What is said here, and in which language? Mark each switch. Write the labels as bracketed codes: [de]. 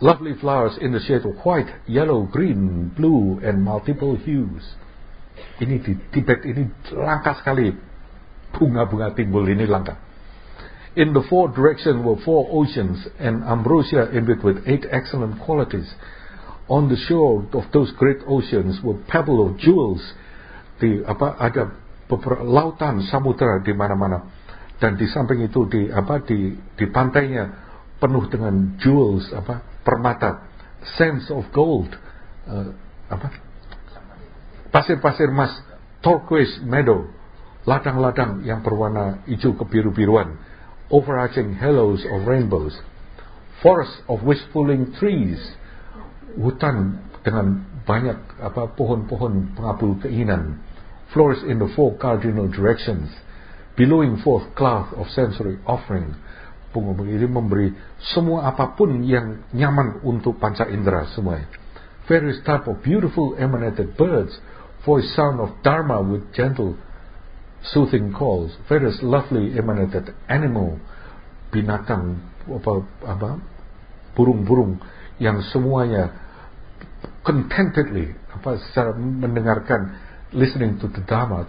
[en] Lovely flowers in the shade of white, yellow, green, blue, and multiple hues. [id] Ini di Tibet ini langka sekali bunga-bunga timbul ini langka. [en] In the four directions were four oceans and ambrosia imbued with eight excellent qualities. On the shore of those great oceans were pebble of jewels. [id] Di apa ada beberapa lautan samudra di mana-mana dan di samping itu di apa di pantainya. Penuh dengan [en] jewels [id] apa permata [en] sense of gold [id] apa pasir-pasir emas [en] turquoise meadow [id] ladang-ladang yang berwarna hijau kebiru-biruan [en] overarching halos of rainbows forest of whispering trees [id] hutan dengan banyak apa pohon-pohon pengabul keinginan [en] flowers in the four cardinal directions billowing forth cloth of sensory offering. [id] Ini memberi semua apapun yang nyaman untuk panca indera semuanya. [en] Various type of beautiful emanated birds, voice sound of dharma with gentle soothing calls. Various lovely emanated animal, [id] binatang apa burung-burung yang semuanya [en] contentedly [id] apa secara mendengarkan [en] listening to the dharma.